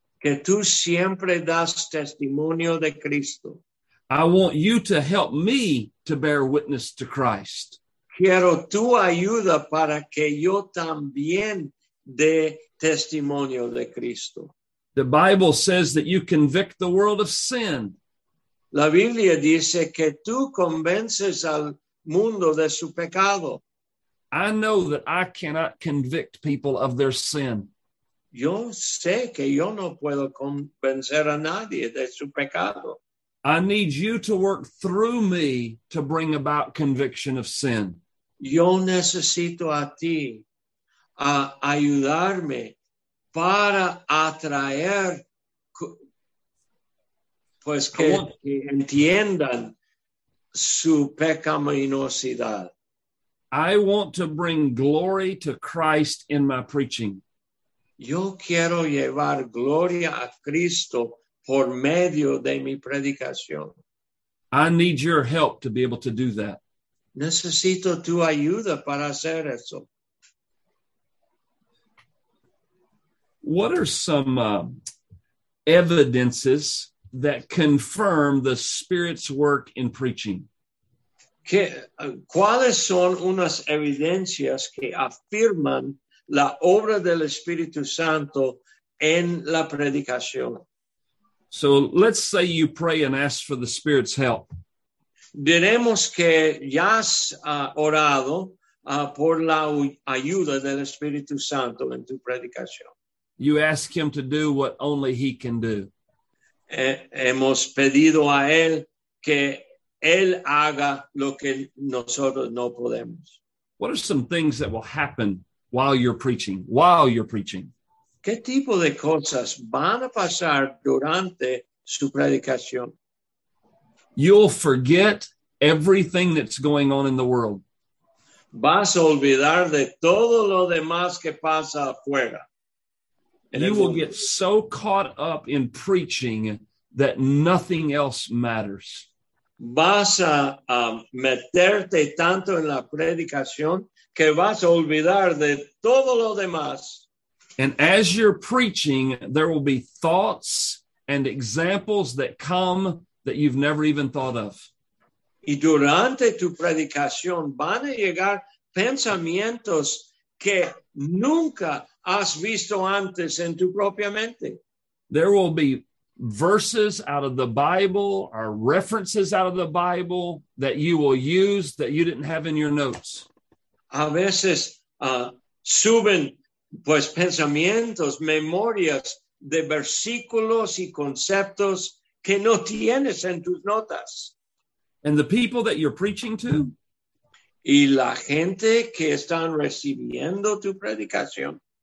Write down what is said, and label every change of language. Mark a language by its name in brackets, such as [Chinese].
[Spanish] Que tú siempre das testimonio de Cristo. [English] I want you to help me to bear witness to Christ. [Spanish] Quiero tu ayuda para que yo también dé testimonio de Cristo. [English] The Bible says that you convict the world of sin. [Spanish] La Biblia dice que tú convences al mundo de su pecado. [English] I know that I cannot convict people of their sin. [Spanish] Yo sé que yo no puedo convencer a nadie de su pecado. [English] I need you to work through me to bring about conviction of sin. [Spanish] Yo necesito a ti a ayudarme para atraer pues que entiendan su pecaminosidad. [English] I want to bring glory to Christ in my preaching. [Spanish] Yo quiero llevar gloria a Cristo por medio de mi predicación. [English] I need your help to be able to do that. [Spanish] Necesito tu ayuda para hacer eso. [English] What are some evidences that confirm the Spirit's work in preaching? [Spanish] ¿Cuáles son unas evidencias que afirman la obra del Espíritu Santo en la predicación? [English] So let's say you pray and ask for the Spirit's help. [Spanish] Diremos que ya has orado por la ayuda del Espíritu Santo en tu predicación. [English] You ask him to do what only he can do. Hemos pedido a él que él haga lo que nosotros no podemos. What are some things that will happen while you're preaching? While you're preaching. [Spanish] ¿Qué tipo de cosas van a pasar durante su predicación? [English] You'll forget everything that's going on in the world. [Spanish] Vas a olvidar de todo lo demás que pasa afuera. [English] And you will get so caught up in preaching that nothing else matters. [Spanish] Vas a meterte tanto en la predicación que vas a olvidar de todo lo demás. [English] And as you're preaching, there will be thoughts and examples that come that you've never even thought of. [Spanish] Y durante tu predicación van a llegar pensamientos que nunca has visto antes en tu propia mente. [English] There will be verses out of the Bible or references out of the Bible that you will use that you didn't have in your notes. [Spanish] A veces suben pues pensamientos, memorias de versículos y conceptos que no tienes en tus notas. [English] And the people that you're preaching to? [Spanish] Y la gente que están recibiendo tu predicación.